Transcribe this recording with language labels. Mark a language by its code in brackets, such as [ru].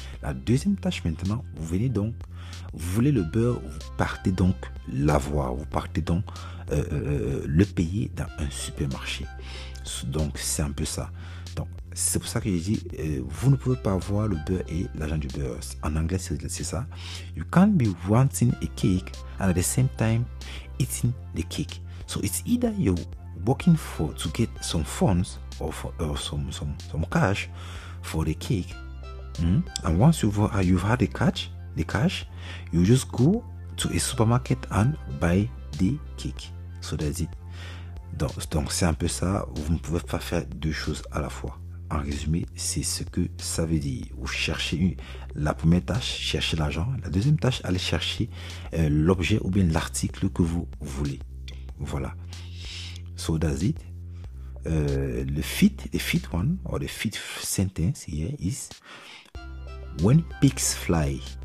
[fr] La deuxième tâche maintenant, vous venez donc, vous voulez le beurre, vous partez donc l'avoir. Vous partez donc le payer dans un supermarché. Donc, c'est un peu ça. Donc, c'est pour ça que j'ai dit, vous ne pouvez pas avoir le beurre et l'argent du beurre. En anglais, c'est ça. [en] You can't be wanting a cake and at the same time eating the cake. So it's either you're working to get some funds or some cash for the cake. And once you've had the cash, you just go to a supermarket and buy the cake. So that's it. [fr] Donc c'est un peu ça. Vous ne pouvez pas faire deux choses à la fois. En résumé, c'est ce que ça veut dire. Vous cherchez la première tâche, chercher l'argent. La deuxième tâche, aller chercher l'objet ou bien l'article que vous voulez. [en] Voilà. So that's it. The fifth sentence here is when pigs fly.